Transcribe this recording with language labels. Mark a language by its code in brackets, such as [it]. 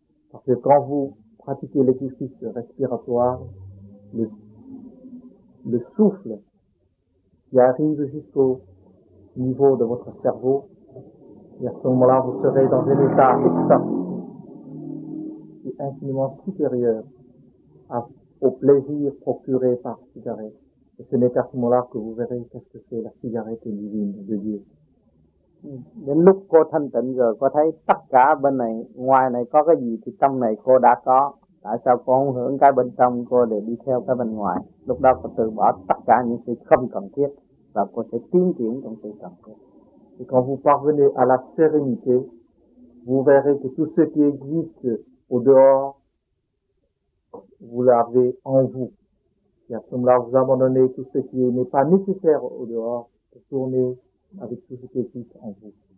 [fr] Parce que quand vous pratiquez l'exercice respiratoire, le souffle qui arrive jusqu'au niveau de votre cerveau, et à ce moment-là, vous serez dans un état extatique, infiniment supérieur au plaisir procuré par cigarette. Et ce n'est qu'à ce moment-là que vous verrez qu'est-ce que c'est la cigarette divine de Dieu. [vi] Đến lúc cô thanh tịnh rồi, cô thấy tất cả bên này, ngoài này có cái gì thì trong này cô đã có. Tại sao cô không hưởng cái bên trong, cô để đi theo cái bên ngoài. Lúc đó cô từ bỏ tất cả những sự không cần thiết và cô sẽ tiến triển trong sự cần thiết. [fr] Et quand vous parvenez à la sérénité, vous verrez que tout ce qui existe au dehors, vous l'avez en vous. Et à ce moment-là, vous abandonnez tout ce qui n'est pas nécessaire au dehors pour tourner avec tout ce qui existe en vous.